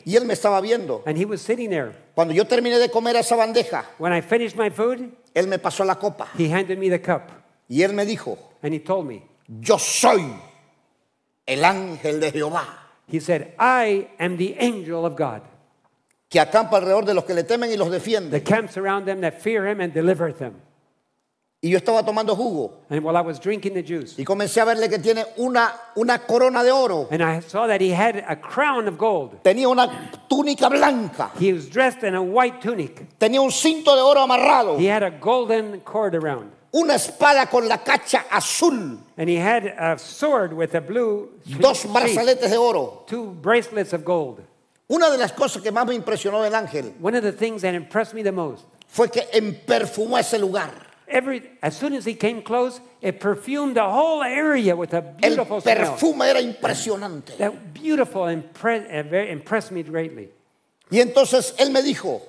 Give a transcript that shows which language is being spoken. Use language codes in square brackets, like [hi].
[es] Y él me estaba viendo. [en] And he was sitting there. [es] Cuando yo terminé de comer esa bandeja. [en] When I finished my food. [es] Él me pasó la copa. [en] He handed me the cup. [es] Y él me dijo. [en] And he told me. [es] Yo soy el ángel de Jehová. [en] He said, I am the angel of God. [es] Que acampa alrededor de los que le temen y los defiende. [en] That camps around them that fear him and deliver them. [es] Y yo estaba tomando jugo. [en] And while I was drinking the juice. [es] Y comencé a verle que tiene una corona de oro. [en] And I saw that he had a crown of gold. [es] Tenía una túnica blanca. [en] He was dressed in a white tunic. [es] Tenía un cinto de oro amarrado. [en] He had a golden cord around. [es] Una espada con la cacha azul. [en] And he had a sword with a blue sheath. [es] Dos brazaletes de oro. [en] Two bracelets of gold. [es] Una de las cosas que más me impresionó del ángel. [en] One of the things that impressed me the most. [es] Fue que emperfumó ese lugar. [en] As soon as he came close, it perfumed the whole area with a beautiful smell. [es] El perfume era impresionante. [en] That beautiful impressed me greatly. [es] Y entonces él me dijo,